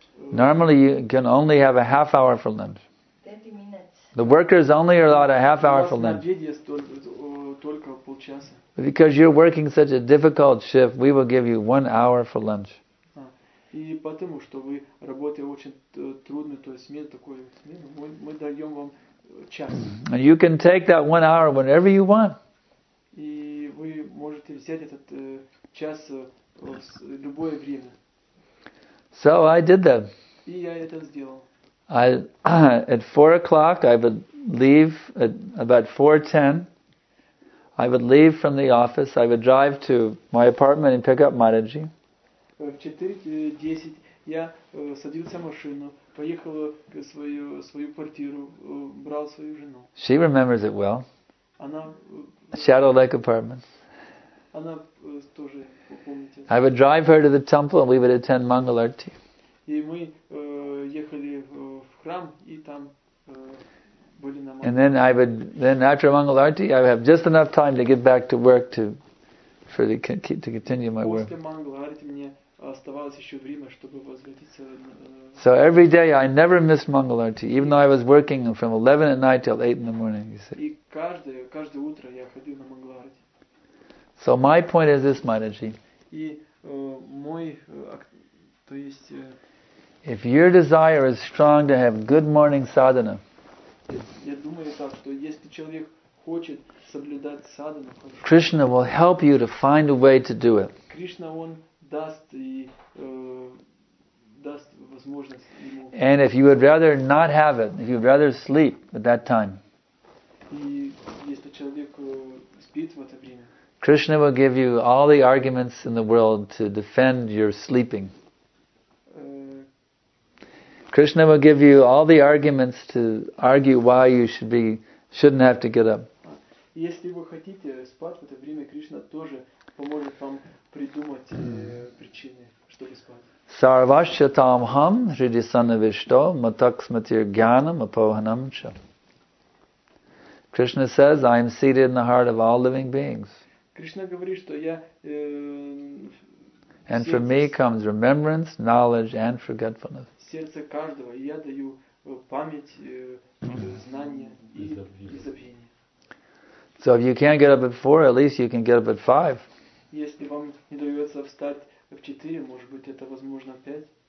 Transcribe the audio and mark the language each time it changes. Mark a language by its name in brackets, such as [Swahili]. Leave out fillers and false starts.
[English] Normally, you can only have a half hour for lunch. 30 minutes. The workers only are allowed a half hour for lunch. [Russian] Только полчаса. [English] Because you're working such a difficult shift, we will give you 1 hour for lunch. [Russian] И потому, что вы работаете очень трудно, то есть смена такой, мы даем вам час. [English] And you can take that 1 hour whenever you want. [Russian] И вы можете взять этот час любое время. [English] So I did that. [Russian] И я это сделал. [English] At 4 o'clock, I would leave at about 4:10. I would leave from the office. I would drive to my apartment and pick up Mataji. [Russian] В 4:10 я садился в машину, поехал к свою квартиру, брал свою жену. [English] She remembers it well. [Russian] Она [English] Shadow Lake apartment. [Russian] Она тоже помнит. [English] I would drive her to the temple and we would attend Mangalarti. [Russian] И мы ехали в храм и там были на [English] Mangalarti. And then I would then after Mangalarti I would have just enough time to get back to work to continue my work. [Russian] После Mangalarti мне оставалось еще время, чтобы возвратиться. [English] So every day I never missed Mangalarti, even though I was working from 11 at night till 8 in the morning, he said. [Russian] И каждое утро я ходил на Мангаларти. [English] So my point is this, Maharaji. [Russian] И мой, то есть. [English] If your desire is strong to have good morning sadhana, [Russian] я думаю так, что если человек хочет соблюдать садхану, [English] Krishna will help you to find a way to do it. [Russian] Кришна он даст и даст возможность ему. [English] And if you would rather not have it, if you would rather sleep at that time, [Russian] и если человек спит в это время, [English] Krishna will give you all the arguments in the world to defend your sleeping. Krishna will give you all the arguments to argue why you shouldn't have to get up. [Russian] Если вы хотите спать в это время, Кришна тоже поможет вам придумать причины, чтобы спать. [Sanskrit] Sarvasya tam ham hridi sannivishto matak smatir gyanam apohanam cha. [English] Krishna says, I am seated in the heart of all living beings. [Russian] Кришна говорит, что я [English] And from me comes remembrance, knowledge and forgetfulness. [Russian] Сердце каждого, и я даю память, знания и забвение. [English] So if you can't get up at 4, at least you can get up at 5. [Russian] Если вам не удается встать в 4, может быть, это возможно 5.